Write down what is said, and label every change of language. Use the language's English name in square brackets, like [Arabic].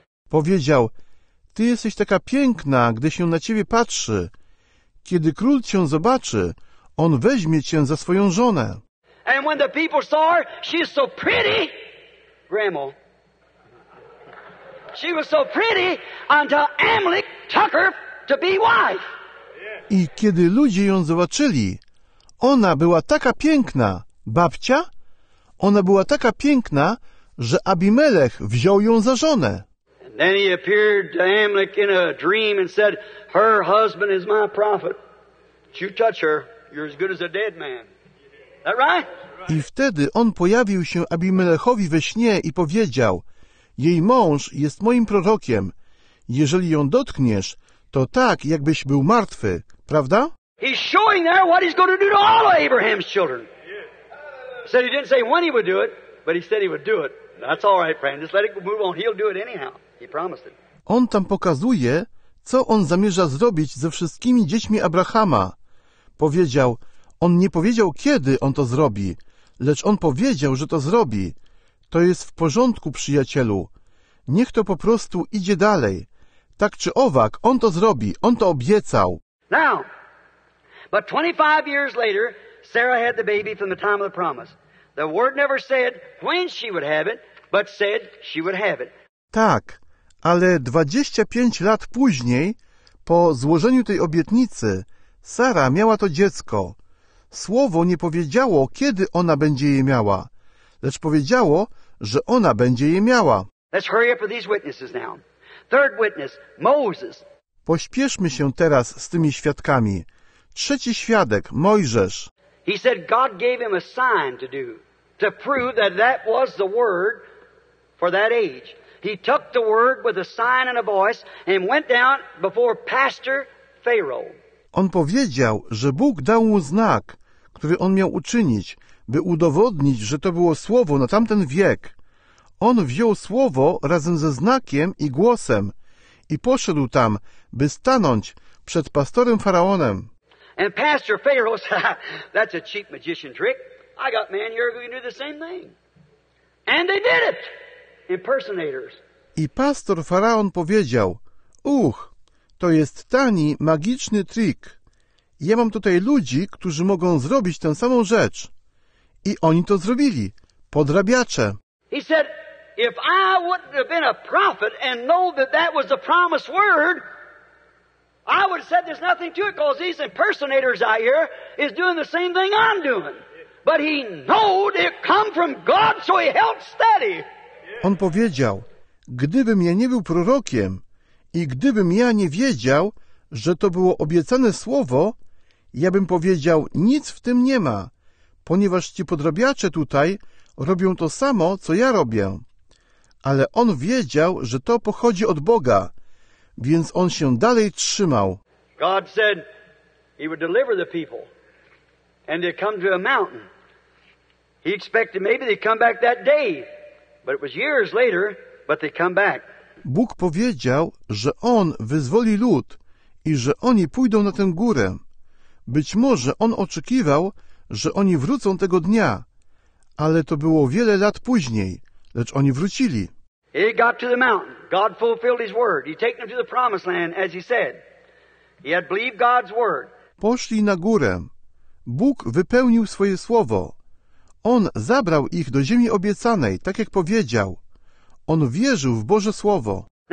[Polish] Powiedział, ty jesteś taka piękna, gdy się na ciebie patrzy. Kiedy król cię zobaczy, on weźmie cię za swoją żonę. [English] And when the people saw her, she is so pretty. Grandma. She was so pretty until Amalek took her to be wife. [Polish] I kiedy ludzie ją zobaczyli, ona była taka piękna, babcia, ona była taka piękna, że Abimelech wziął ją za żonę. [English] And then he appeared to Amalek in a dream and said, her husband is my prophet. If you touch her, you're as good as a dead man. Is that right? [Polish] I wtedy on pojawił się Abimelechowi we śnie i powiedział, jej mąż jest moim prorokiem. Jeżeli ją dotkniesz, to tak, jakbyś był martwy, prawda? [English] He's showing there what he's going to do to all of Abraham's children. Yes. Said he didn't say when he would do it, but he said he would do it. That's all right, friend. Just let it move on. He'll do it anyhow. He promised it. [Polish] On tam pokazuje, co on zamierza zrobić ze wszystkimi dziećmi Abrahama. Powiedział, on nie powiedział, kiedy on to zrobi, lecz on powiedział, że to zrobi. To jest w porządku, przyjacielu. Niech to po prostu idzie dalej. Tak czy owak, on to zrobi, on to obiecał. [English] Now, but 25 years later, Sarah had the baby from the time of the promise. The word never said when she would have it, but said she would have it. [Polish] Tak, ale 25 lat później, po złożeniu tej obietnicy, Sara miała to dziecko. Słowo nie powiedziało, kiedy ona będzie je miała, lecz powiedziało, że ona będzie je miała. [English] Let's hurry up with these witnesses now. Third witness, Moses. [Polish] Pośpieszmy się teraz z tymi świadkami. Trzeci świadek, Mojżesz. [English] He said God gave him a sign to do, to prove that that was the word for that age. He took the word with a sign and a voice and went down before Pastor Pharaoh. [Polish] On powiedział, że Bóg dał mu znak, który on miał uczynić, by udowodnić, że to było słowo na tamten wiek. On wziął słowo razem ze znakiem i głosem i poszedł tam, by stanąć przed pastorem Faraonem. [English] And Pastor Pharaoh said, that's a cheap magician trick. I got men here who can do the same thing. And they did it. Impersonators. [Polish] I pastor Faraon powiedział, to jest tani, magiczny trik. Ja mam tutaj ludzi, którzy mogą zrobić tę samą rzecz. I oni to zrobili. Podrabiacze. [English] He said, if I wouldn't have been a prophet and know that that was the promised word, I would have said there's nothing to it, because these impersonators out here is doing the same thing I'm doing. But he knowed it come from God, so he held steady. [Polish] On powiedział, gdybym ja nie był prorokiem i gdybym ja nie wiedział, że to było obiecane słowo, ja bym powiedział, nic w tym nie ma, ponieważ ci podrabiacze tutaj robią to samo, co ja robię. Ale on wiedział, że to pochodzi od Boga, więc on się dalej trzymał. [English] God said he would deliver the people and they'd come to a mountain. He expected maybe they'd come back that day. But it was years later, but they come back. [Polish] Bóg powiedział, że on wyzwoli lud i że oni pójdą na tę górę. Być może on oczekiwał, że oni wrócą tego dnia, ale to było wiele lat później, lecz oni wrócili. [English] He got to the mountain. God fulfilled his word. He took them to the promised land, as he said. He had believed God's word. [Polish] Poszli na górę. Bóg wypełnił swoje słowo. On zabrał ich do ziemi obiecanej, tak jak powiedział. On wierzył w Boże Słowo.